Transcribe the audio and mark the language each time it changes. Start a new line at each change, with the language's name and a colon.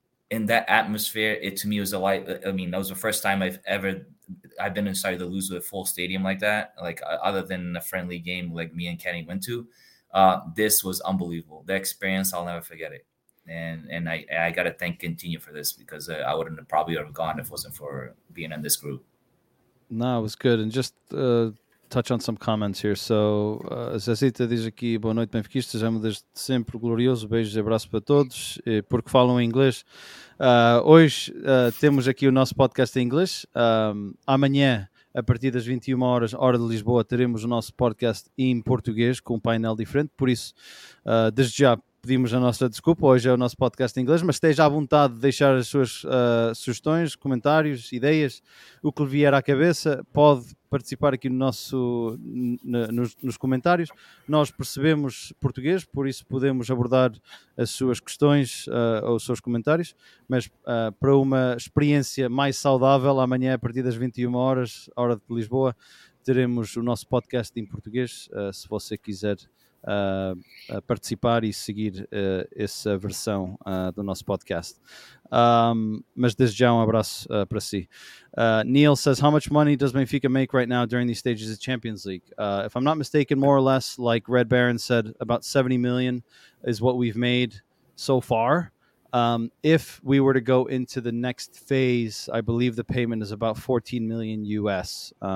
English: in that atmosphere, it to me was a light. I mean, that was the first time I've been inside the Luz with a full stadium like that. Like other than a friendly game, like me and Kenny went to, this was unbelievable. The experience, I'll never forget it. And I got to thank Continue for this, because I wouldn't have probably have gone if it wasn't for being in this group. No, it was good. And just touch on some comments here.
Portuguese: So, Zezita diz aqui, boa noite, Benfiquistas, é um deles sempre glorioso, beijos e abraços para todos, porque falam inglês. Hoje temos aqui o nosso podcast em inglês. Amanhã, a partir das 21 horas, hora de Lisboa, teremos o nosso podcast em português, com um painel diferente. Por isso, desde já, pedimos a nossa desculpa, hoje é o nosso podcast em inglês, mas esteja à vontade de deixar as suas sugestões, comentários, ideias, o que lhe vier à cabeça, pode participar aqui no nosso, nos comentários. Nós percebemos português, por isso podemos abordar as suas questões ou os seus comentários, mas para uma experiência mais saudável, amanhã a partir das 21 horas, hora de Lisboa, teremos o nosso podcast em português, se você quiser a participar e seguir essa versão do nosso podcast. Mas desde já um abraço para si.
English: Neil says, how much money does Benfica make right now during these stages of Champions League? If I'm not mistaken, more or less, like Red Baron said, about 70 million is what we've made so far. If we were to go into the next phase, I believe the payment is about 14 million US.